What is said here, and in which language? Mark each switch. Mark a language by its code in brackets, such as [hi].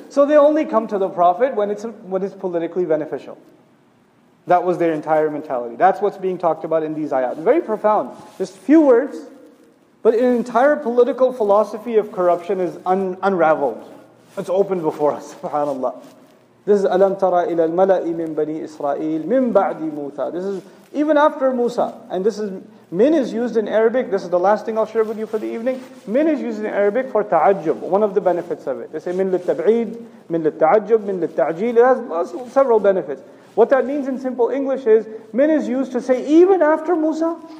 [en] So they only come to the Prophet when it's politically beneficial. That was their entire mentality. That's what's being talked about in these ayat. Very profound. Just few words, but an entire political philosophy of corruption is unraveled. It's open before us, subhanAllah. This is [ar] أَلَمْ تَرَى إِلَى الْمَلَئِ مِنْ بَنِي إِسْرَائِيلِ مِنْ بَعْدِ مُوسَى. [en] This is even after Musa. And this is, min is used in Arabic. This is the last thing I'll share with you for the evening. Min is used in Arabic for ta'ajjub, one of the benefits of it. They say min للتبعيد, min للتعجب, min للتعجيل. It has several benefits. What that means in simple English is, min is used to say even after Musa.